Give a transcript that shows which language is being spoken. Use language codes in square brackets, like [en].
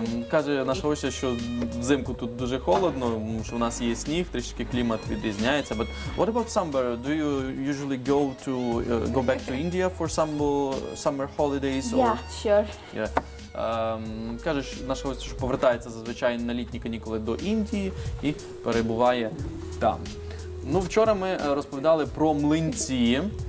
[uk] Каже наша гостя, що взимку тут дуже холодно, тому що в нас є сніг, трішки клімат відрізняється. [en] But what about summer? Do you usually go back to India for summer holidays? Or? Yeah, sure. Yeah. [uk] Кажеш, наша гостя, що повертається зазвичай на літні канікули до Індії і перебуває там. Ну, вчора ми розповідали про млинці.